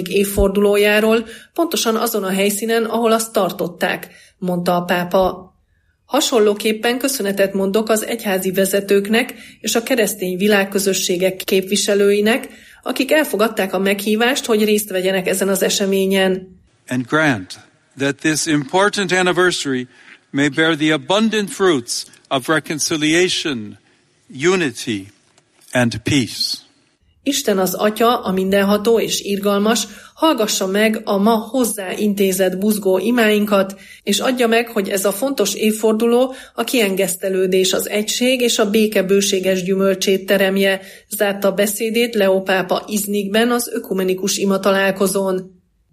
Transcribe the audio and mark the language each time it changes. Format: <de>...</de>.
<hu>évfordulójáról, pontosan azon a helyszínen, ahol azt tartották, mondta a pápa. Hasonlóképpen köszönetet mondok az egyházi vezetőknek és a keresztény világközösségek képviselőinek, akik elfogadták a meghívást, hogy részt vegyenek ezen az eseményen.</hu> <en>And grant that this important anniversary may bear the abundant fruits of reconciliation, unity and peace.</en> <hu>Isten az Atya, a mindenható és irgalmas, hallgassa meg a ma hozzá intézett buzgó imáinkat, és adja meg, hogy ez a fontos évforduló a kiengesztelődés, az egység és a béke bőséges gyümölcsét teremje, zárta beszédét Leó pápa Iznikben az ökumenikus ima találkozón.</hu>